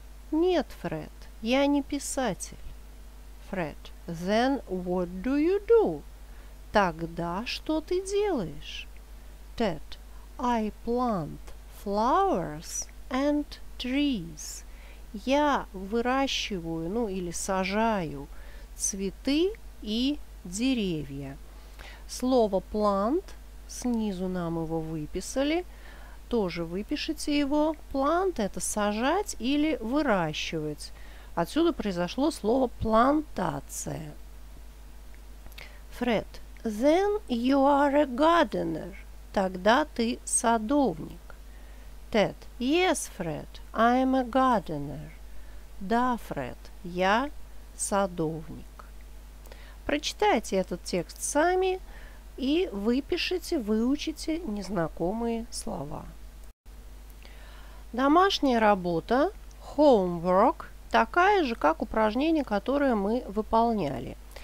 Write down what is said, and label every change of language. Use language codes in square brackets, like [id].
[ru] Нет, Фред, я не писатель. [en] Фред, then what do you do? [ru] Тогда что ты делаешь? [en] Тед, I plant flowers and trees. [ru] Я выращиваю, ну или сажаю, цветы и деревья. Слово plant, снизу нам его выписали, тоже выпишите его. Plant – это сажать или выращивать. Отсюда произошло слово плантация. [en] Фред, then you are a gardener. [ru] Тогда ты садовник. [en] Тед, yes, Фред, I am a gardener. [ru] Да, Фред, я садовник. Прочитайте этот текст сами и выпишите, выучите незнакомые слова. Домашняя работа, homework, такая же, как упражнение, которое мы выполняли.